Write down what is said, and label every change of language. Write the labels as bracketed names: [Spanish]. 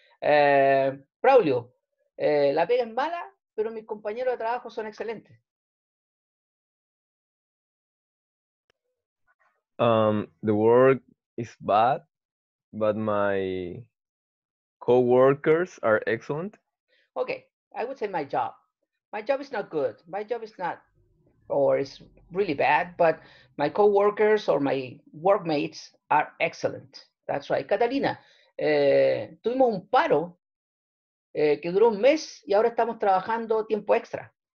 [Spanish] Braulio, la pega es mala, pero mis compañeros de trabajo son excelentes. [English] The work is bad, but my co-workers are excellent. Okay. I would say my job. My job is not good. My job is not, or it's really bad, but my co-workers or my workmates are excellent. That's right. [Spanish] Catalina, tuvimos un paro que duró un mes y ahora estamos trabajando tiempo extra.